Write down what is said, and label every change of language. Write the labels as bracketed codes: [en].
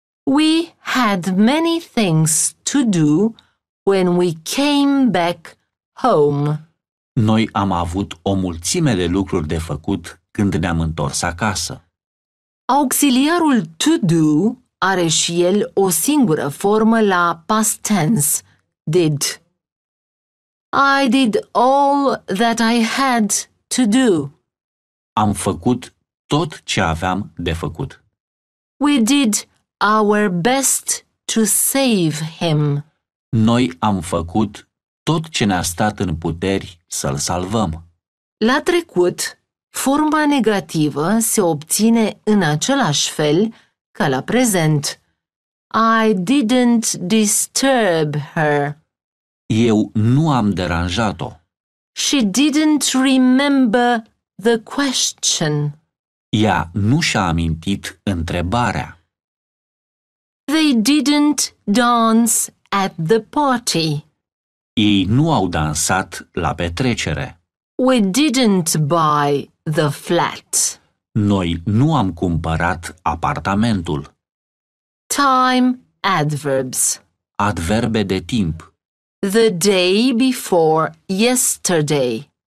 [en] We had many things to do when we came back home. [ro] Noi am avut o mulțime de lucruri de făcut când ne-am întors acasă. Auxiliarul to do are și el o singură formă la past tense, did. [en] I did all that I had to do. [ro] Am făcut tot ce aveam de făcut. [en] We did our best to save him. [ro] Noi am făcut tot ce ne-a stat în puteri să-l salvăm. La trecut, forma negativă se obține în același fel ca la prezent. [en] I didn't disturb her. [ro] Eu nu am deranjat-o. [en] She didn't remember the question. [ro] Ea nu și-a amintit întrebarea. [en] They didn't dance at the party. [ro] Ei nu au dansat la petrecere. [en] We didn't buy the flat. [ro] Noi nu am cumpărat apartamentul. [en] Time adverbs. [ro] Adverbe de timp. [en] The day before yesterday.